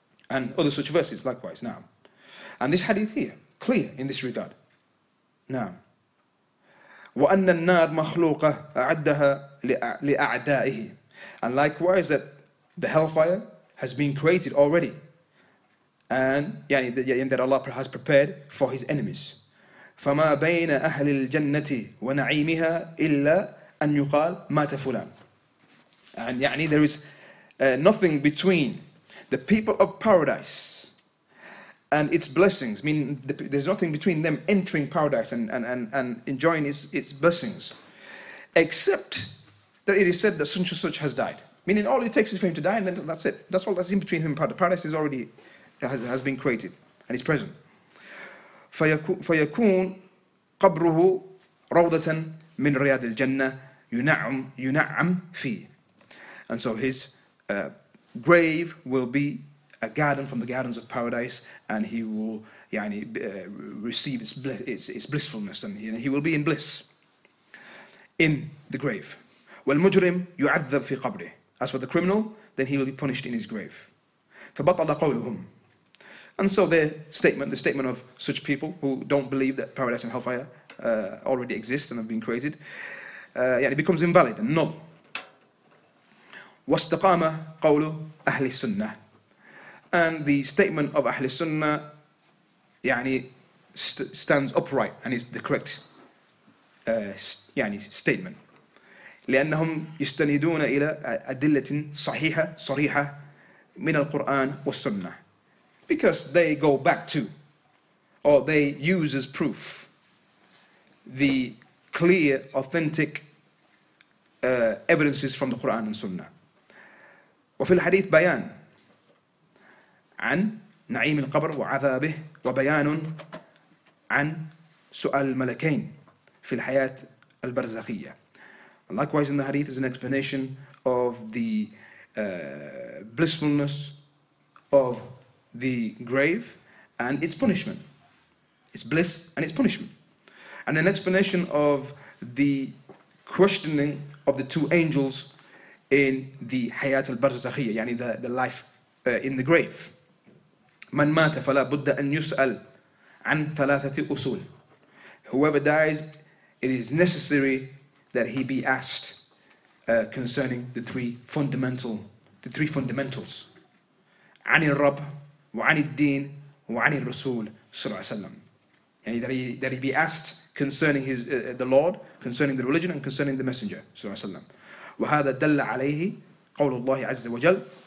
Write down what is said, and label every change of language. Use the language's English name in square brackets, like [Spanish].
[English] And other such verses likewise, now. And this hadith here, clear in this regard. [Arabic] Now. وَأَنَّ النَّارَ مَخْلُوقَةً أَعَدَّهَا لِأَعْدَائِهِ. [English] And likewise that the hellfire has been created already, and يعني that Allah has prepared for His enemies. [Arabic] فما بين أهل الجنة ونعيمها إلا أن يقال مات فلان. [English] And يعني there is nothing between the people of paradise and its blessings. I mean, there's nothing between them entering paradise and enjoying its blessings, except that it is said that such and such has died. Meaning all it takes is for him to die and then that's it. That's all that's in between him and paradise. Paradise is already has been created and is present. [Arabic] فيكون قبره روضة من رياض الجنة ينعم فيه. [English] And so his grave will be a garden from the gardens of paradise, and he will يعني receive its blissfulness, and he will be in bliss in the grave. [Arabic] والمجرم يعذب في قبره. [English] As for the criminal, then he will be punished in his grave. [Arabic] فبطل قولهم. [English] And so their statement, the statement of such people who don't believe that paradise and hellfire already exist and have been created, it becomes invalid and null. [Arabic] واستقام قول أهل السنة. [English] And the statement of أهل السنة stands upright and is the correct statement. [Arabic] لأنهم يستندون إلى أدلة صحيحة صريحة من القرآن والسنة. [English] Because they go back to, or they use as proof, the clear, authentic evidences from the Quran and Sunnah. [Arabic] وفي الحديث بيان عن نعيم القبر وعذابه وبيان عن سؤال الملكين في الحياة البرزخية. [English] Likewise, in the hadith is an explanation of the blissfulness of the grave and its punishment It's bliss and it's punishment. And an explanation of the questioning of the two angels in the Hayat al-Barzakhiyya, yani the life in the grave. [Arabic] Man mata fala budda an yus'al an thalathati usul. [English] Whoever dies, it is necessary that he be asked concerning the three fundamental, the three fundamentals. [Arabic] عن الرب وعن الدين وعن الرسول صلى الله عليه وسلم. [English] And that he be asked concerning his the Lord, concerning the religion, and concerning the Messenger صلى الله عليه وسلم. [Arabic] وهذا دل عليه قول الله عز وجل.